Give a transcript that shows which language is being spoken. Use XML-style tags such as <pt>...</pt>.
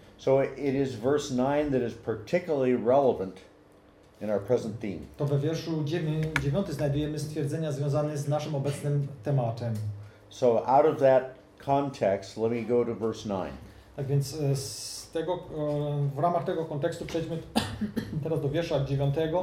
<en>So it is verse 9 that is particularly relevant in our present theme.</en> <pl>To we wierszu 9 znajdujemy stwierdzenia związane z naszym obecnym tematem.</pl> <en>So out of that context, let me go to verse 9.</en> <pl>Tak więc z tego, w ramach tego kontekstu przejdźmy teraz do wiersza 9.</pl>